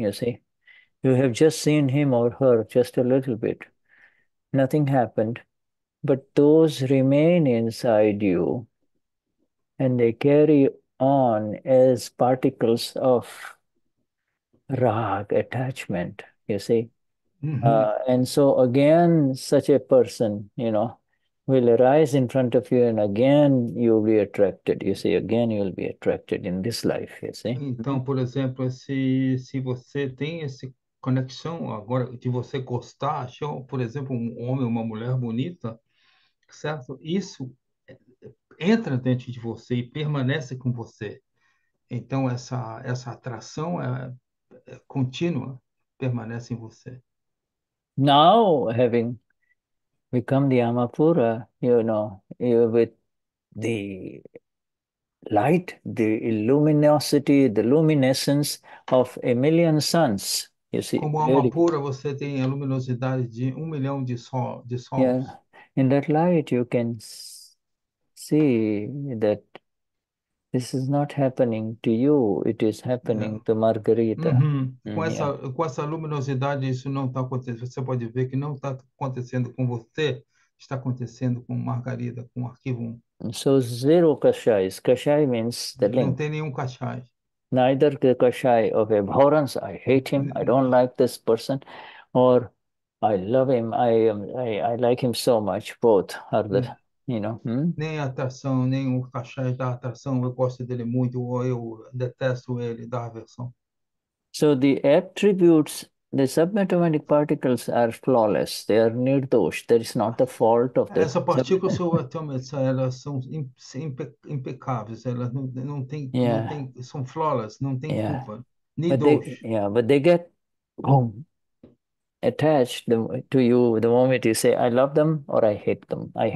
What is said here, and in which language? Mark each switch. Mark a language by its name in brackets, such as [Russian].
[English] You see, you have just seen him or her just a little bit, nothing happened, but those remain inside you, and they carry on as particles of rag, attachment, you see. And so again, such a person, you know, will arise in front of you and again you'll be attracted, you see. Again you'll be attracted in this life, you see. [Portuguese] Então, por exemplo, se você tem essa conexão agora de você gostar, por exemplo, um homem ou uma mulher bonita, certo? Isso entra dentro de você e permanece com você. Então, essa atração é contínua, permanece em você. [English] Now, having become the Amapura, you know, with the light, the luminosity, the luminescence of a million suns, you see. [Portuguese] Como Amapura, você tem a luminosidade de 1 milhão de sol. [English] Yeah. In that light, you can see that this is not happening to you, it is happening to Margarita. [Portuguese] Com essa luminosidade, isso não está acontecendo. Você pode ver que não está acontecendo com você, está acontecendo com Margarita, com o arquivo 1. [English] So, zero kashais. Kashai means the [Portuguese] não [English] link. [Portuguese] Não tem nenhum kashai. [English] neither the kashai of abhorrence, I hate him, I don't like this person, or I love him, I like him so much, both are the, you know. [Portuguese] Nem atração, nem o cachai da atração, eu gosto dele muito, ou eu detesto ele, da aversão. [English] So the attributes, the submatomic particles are flawless, they are nirdosh, there is not the fault of the... [Portuguese] Essa partícula subatômica, elas são impecáveis, elas não tem, não tem, são flawless, não tem culpa, nirdosh. [English] But they get home. Attached to you the moment you say I love them or I hate them.